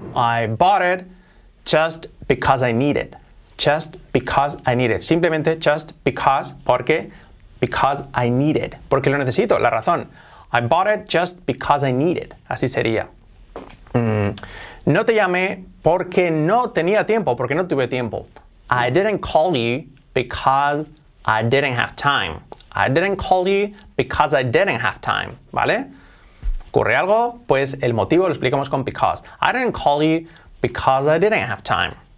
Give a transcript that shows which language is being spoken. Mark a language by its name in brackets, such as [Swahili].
[English] I bought it just because I need it. Just because I need it. Simplemente just because, porque, because I need it. [Spanish] Porque lo necesito, la razón. [English] I bought it just because I need it. [Spanish] Así sería. No te llamé porque no tenía tiempo, porque no tuve tiempo. [English] I didn't call you because I didn't have time. I didn't call you because I didn't have time. [Spanish] ¿Vale? ¿Ocurre algo? Pues el motivo lo explicamos con [English] because. I didn't call you because I didn't have time.